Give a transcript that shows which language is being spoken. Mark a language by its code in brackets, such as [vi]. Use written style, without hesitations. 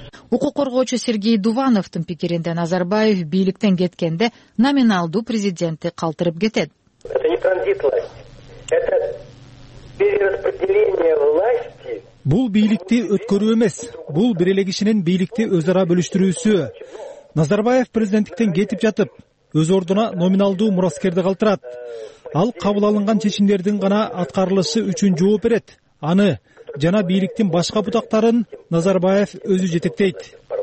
[ky] Укук коргоочу Сергей Дувановдун пикиринде Назарбаев бийликтен кеткенде номиналдуу президентти калтырып кетет. [ru] Это не транзит власти. Это перераспределение власти. [ky] Бул бийликти өткөрүү эмес, бул бир эле кишинин бийликти өз ара бөлүштүрүүсү. Назарбаев президенттиктен кетип жатып, өз ордуна номиналдуу мураскерди калтырат. Ал кабыл алынган чечимдердин гана аткарылышы үчүн жооп берет. Аны жана бийликтин башка бутактарын Назарбаев өзү жетектейт.